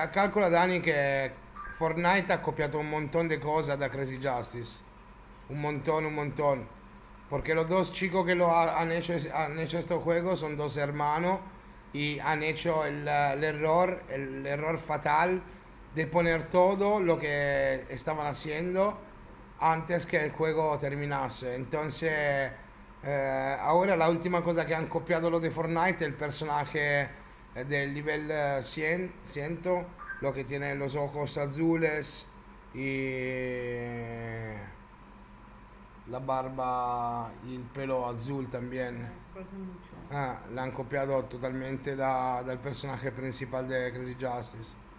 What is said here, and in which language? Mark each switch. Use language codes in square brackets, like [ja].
[it] calcola Dani che Fortnite ha copiato un montone di cose da Crazy Justice. [es] Un montón. Porque los dos chicos que lo han hecho este juego son dos hermanos y han hecho el error fatal de poner todo lo que estaban haciendo antes que el juego terminase. Entonces, ahora la última cosa que han copiado lo de Fortnite es el personaje del nivel 100, 100, lo que tiene los ojos azules y la barba, il pelo azul también. Si parece mucho. [it] Ah, l'han copiato totalmente dal personaggio principale di Crazy Justice.